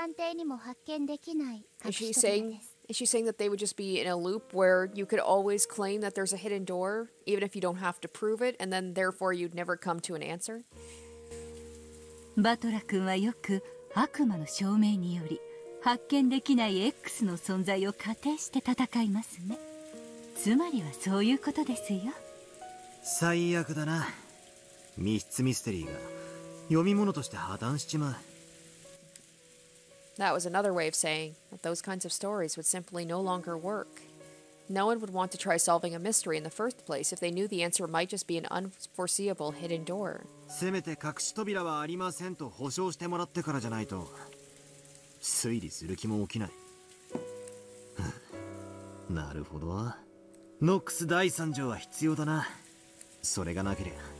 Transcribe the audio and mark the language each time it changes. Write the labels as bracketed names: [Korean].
[Japanese] 手がかりや伏線のある隠し扉ではありません。隠しなのですから無論探偵にも発見できない隠し扉です。 [English] Is she saying that they would just be in a loop where you could always claim that there's a hidden door, even if you don't have to prove it, and then therefore you'd never come to an answer? [Japanese] バトラ君はよく悪魔の証明により発見できないXの存在を仮定して戦いますね。つまりはそういうことですよ。最悪だな。 [English] That was another way of saying that those kinds of stories would simply no longer work. No one would want to try solving a mystery in the first place if they knew the answer might just be an unforeseeable hidden door. [Japanese] せめて隠し扉はありませんと保証してもらってからじゃないと推理する気も起きない。なるほどな。ノックス第三条は必要だな。それがなければ。